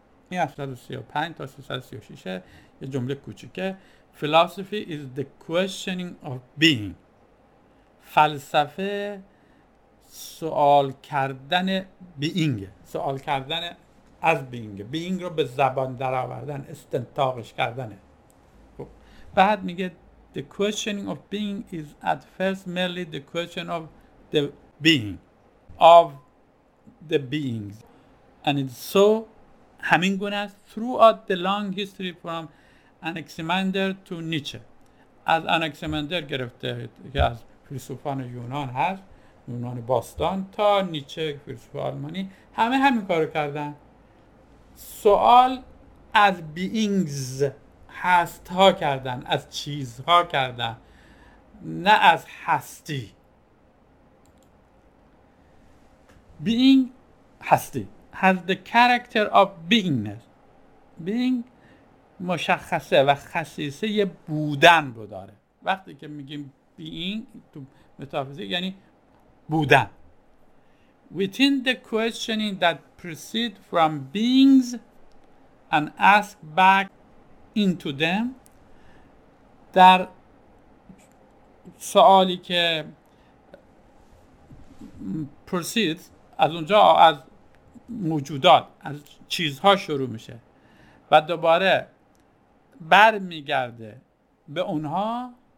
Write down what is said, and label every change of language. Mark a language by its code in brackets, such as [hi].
[fa] این 335 تا 336 یه جمله کوچیکه. [en] Philosophy is the questioning of being. [fa] فلسفه سوال کردن بینگ، سوال کردن از بینگ، بینگ رو به زبان درآوردن، استنتاقش کردنه. خب بعد میگه [en] the questioning of being is at first merely the question of the being of the beings and it's so [fa] همین گونه است [en] throughout the long history from Anaximander to Nietzsche. [fa] از Anaximander گرفته که از فیلسوفان یونان هست، یونان باستان، تا نیچه فیلسوف آلمانی، همه همین کارو کردن. سوال از بیینگز هست ها کردن، از چیزها کردن، نه از هستی. [en] Being هستی has the character of beingness. [fa] بیینگ مشخصه و خصیصه یه بودن رو داره. وقتی که میگیم being تو متافیزیک یعنی بودن، [en] within the questioning that proceed from beings and ask back into them. [fa] در سوالی که proceed از اونجا از موجودات از چیزها شروع میشه و دوباره بر میگرده به اونها.